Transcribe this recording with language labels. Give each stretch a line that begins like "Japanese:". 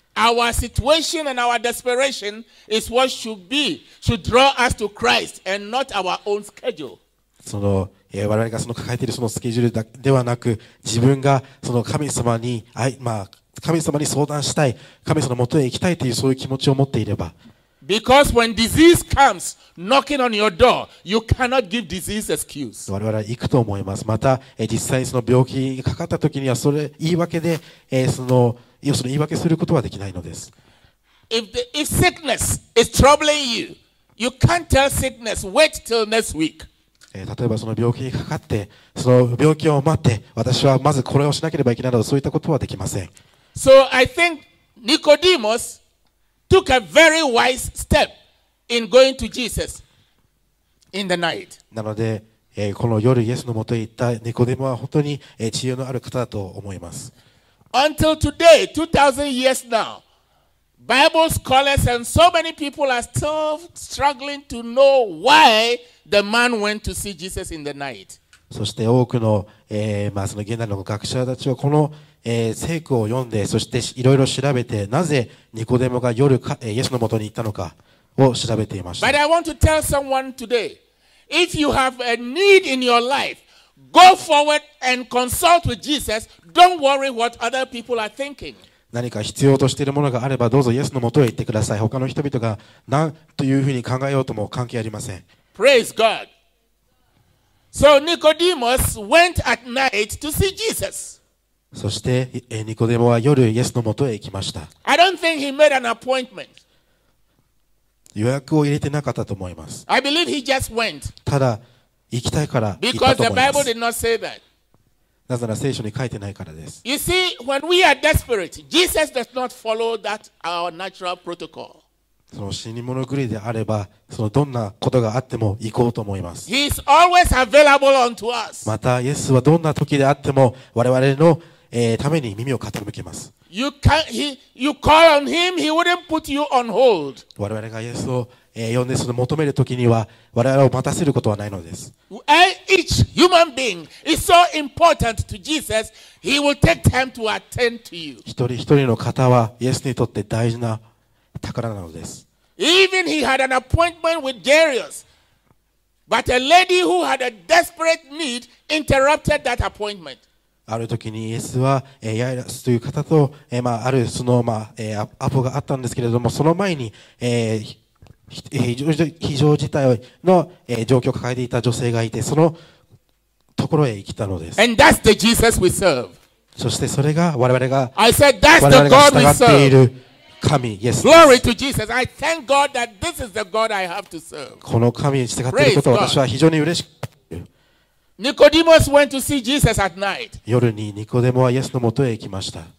English: Our situation and our desperation is what should draw us to Christ and not our own schedule.
Japanese: その我々がその抱えているそのスケジュールではなく、自分がその神様に神様に相談したい、神様の元へ行きたいというそういう気持ちを持っていれば。
English: Because when disease comes knocking on your door, you cannot give disease excuse.
Japanese: 我々は行くと思います。また、実際にその病気にかかった時にはそれ言い訳で、その言い訳することはできないのです。
English: If sickness is troubling you, you can't tell sickness, wait till next week.
Japanese: 例えばその病気にかかって、その病気を待って、私はまずこれをしなければいけないなど、そういったことはできません。
English: So I think Nicodemus took a very wise step in going to Jesus in the night.
Japanese: なので、この夜イエスの元へ行ったニコデモは本当に、知恵のある方だと思います。
English: Until today, 2000 years now, Bible scholars and so many people are still struggling to know why the man went to see Jesus in the night.
Japanese: そして多くの、その現代の学者たちはこの聖句を読んで、そしていろいろ調べて、なぜニコデモが夜か、イエスのもとに行ったのかを調べていました。
English: But I want to tell someone today, if you have a need in your life, go forward and consult with Jesus. Don't worry what other people are thinking.
Japanese: 何か必要としているものがあれば、どうぞイエスのもとへ行ってください。他の人々が何というふうに考えようとも関係ありません。
English: Praise God. So Nicodemus went at night to see Jesus.
Japanese: そしてニコデモは夜イエスのもとへ行きました。
English: I don't think he made an appointment.
Japanese: 予約を入れてなかったと思います。
English: I believe he just went.
Japanese: ただ行きたいから行ったと思います。
English: Because the Bible did not say that.
Japanese: なぜなら聖書に書いてないからです。
English: You see, when we are desperate, Jesus does not follow that our natural protocol.
Japanese: その死に物狂いであれば、そのどんなことがあっても行こうと思います。
English: He is always available unto us.
Japanese: またイエスはどんな時であっても我々のために耳を傾けます。
English: You call on him, he wouldn't put you on hold.
Japanese: 我々がイエスを呼んでその求める時には我々を待たせることはないのです。
English: Each human being is so important to Jesus, he will take time to attend to you.
Japanese: 一人一人の方はイエスにとって大事な宝なのです。
English: Even he had an appointment with Jairus, but a lady who had a desperate need interrupted that appointment.
Japanese: ある時にイエスはヤイラスという方とあるそのアポがあったんですけれども、その前に非常事態の状況を抱えていた女性がいて、そのところへ来たのです。
English: And that's the Jesus we serve.
Japanese: そしてそれが我々が
English: I said, that's the God we serve.
Japanese: 神イエス。
English: Glory to Jesus. I thank God that this is the God I have to serve.
Japanese: この神に従っていることを私は非常に嬉しく、
English: Nicodemus went to see Jesus at night.
Japanese: 夜にニコデモはイエスのもとへ行きました。